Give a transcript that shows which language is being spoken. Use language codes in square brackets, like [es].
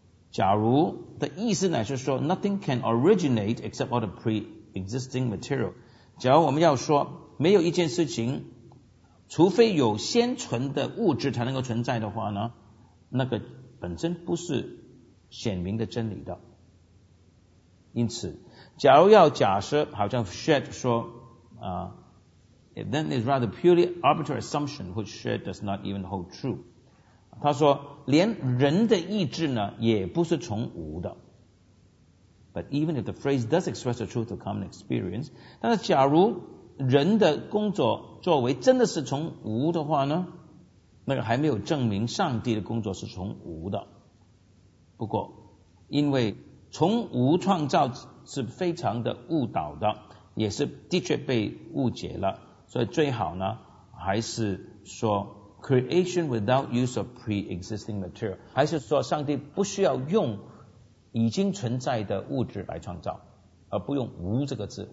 [zh] 假如的意思呢是说 [en] nothing can originate except all the pre-existing material， [zh] 假如我们要说没有一件事情除非有先存的物质才能够存在的话呢，那个本身不是显明的真理的。因此假如要假设好像 Shed 说 [en] then it's rather purely arbitrary assumption which Shed does not even hold true， [zh] 他说连人的意志呢也不是从无的。 [en] But even if the phrase does express the truth of common experience， [zh] 但是假如人的工作作为真的是从无的话呢，那个还没有证明上帝的工作是从无的。不过因为从无创造是非常的误导的，也是的确被误解了，所以最好呢还是说 [en] creation without use of pre-existing material， [zh] 还是说上帝不需要用已经存在的物质来创造，而不用无这个字。